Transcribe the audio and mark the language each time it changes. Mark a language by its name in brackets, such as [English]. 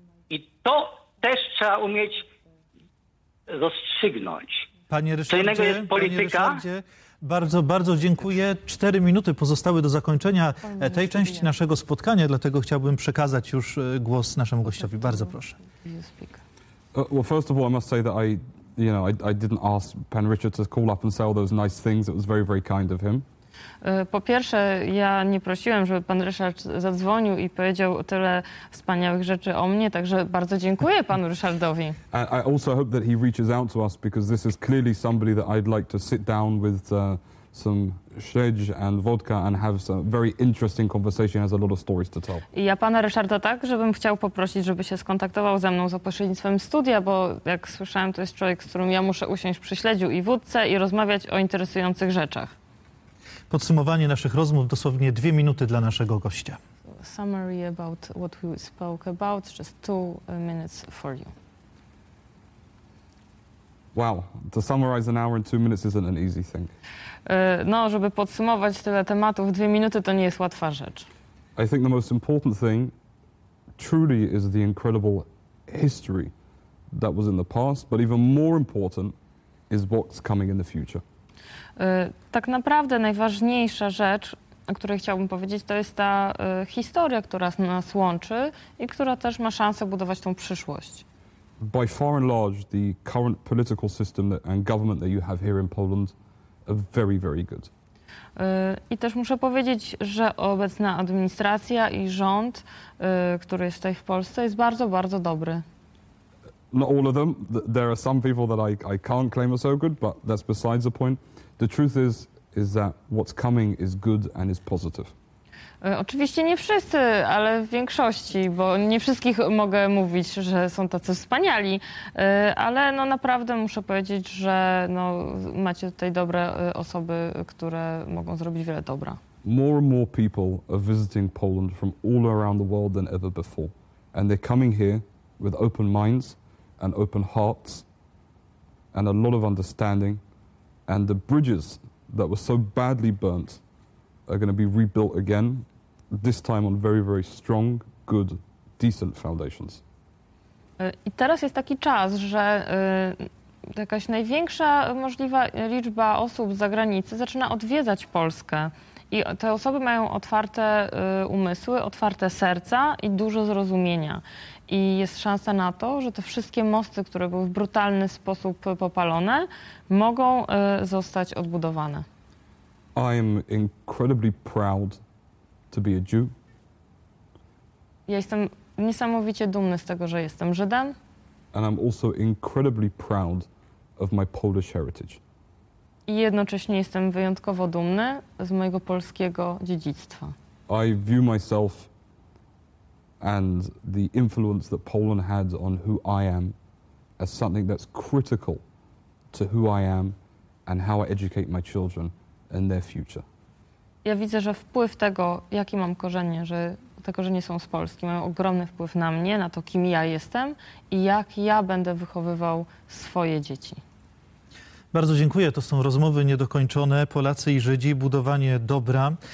[Polish] I to też trzeba umieć rozstrzygnąć. Panie Ryszardzie, co jest polityka? Panie Ryszardzie, bardzo, bardzo dziękuję. 4 minuty pozostały do zakończenia tej części naszego spotkania, dlatego chciałbym przekazać już głos naszemu gościowi. Bardzo proszę. [English] Well, first of all, I must say that I didn't ask Pan Richard to call up and sell those nice things. It was very, very kind of him. [Polish] Po pierwsze, ja nie prosiłem, żeby pan Ryszard zadzwonił i powiedział tyle wspaniałych rzeczy o mnie, także bardzo dziękuję panu Ryszardowi. [English] I also hope that he reaches out to us because this is clearly somebody that I'd like to sit down with some śledź and vodka and have some very interesting conversation, has a lot of stories to tell. [Polish] I ja pana Ryszarda tak, żebym chciał poprosić, żeby się skontaktował ze mną za pośrednictwem studia, bo jak słyszałem, to jest człowiek, z którym ja muszę usiąść przy śledziu i wódce i rozmawiać o interesujących rzeczach. Podsumowanie naszych rozmów, dosłownie 2 minuty dla naszego gościa. [English] Summary about what we spoke about, just 2 minutes for you. Wow, to summarize an hour in 2 minutes isn't an easy thing. [Polish] No, żeby podsumować tyle tematów, 2 minuty to nie jest łatwa rzecz. [English] I think the most important thing truly is the incredible history that was in the past, but even more important is what's coming in the future. [Polish] Tak naprawdę najważniejsza rzecz, o której chciałbym powiedzieć, to jest ta historia, która nas łączy i która też ma szansę budować tą przyszłość. [English] By far and large, the current political system and government that you have here in Poland are very, very good. [Polish] I też muszę powiedzieć, że obecna administracja i rząd, który jest tutaj w Polsce, jest bardzo, bardzo dobry. [English] Not all of them. There are some people that I can't claim are so good, but that's besides the point. The truth is that what's coming is good and is positive. [Polish] Oczywiście nie wszyscy, ale w większości, bo nie wszystkich mogę mówić, że są tacy wspaniali, ale no naprawdę muszę powiedzieć, że no macie tutaj dobre osoby, które mogą zrobić wiele dobra. [English] More and more people are visiting Poland from all around the world than ever before. And they're coming here with open minds and open hearts and a lot of understanding. And the bridges that were so badly burnt are going to be rebuilt again, this time on very, very strong, good, decent foundations. [Polish] I teraz jest taki czas, że jakaś największa możliwa liczba osób z zagranicy zaczyna odwiedzać Polskę. I te osoby mają otwarte umysły, otwarte serca i dużo zrozumienia. I jest szansa na to, że te wszystkie mosty, które były w brutalny sposób popalone, mogą zostać odbudowane. [English] I am incredibly proud to be a Jew. [Polish] Ja jestem niesamowicie dumny z tego, że jestem Żydem. [English] And I'm also incredibly proud of my Polish heritage. [Polish] I jednocześnie jestem wyjątkowo dumny z mojego polskiego dziedzictwa. [English] I view myself and the influence that Poland had on who I am as something that's critical to who I am and how I educate my children and their future. [Polish] Ja widzę, że wpływ tego, jakie mam korzenie, że te korzenie są z Polski, mają ogromny wpływ na mnie, na to, kim ja jestem i jak ja będę wychowywał swoje dzieci. Bardzo dziękuję. To są rozmowy niedokończone. Polacy i Żydzi, budowanie dobra.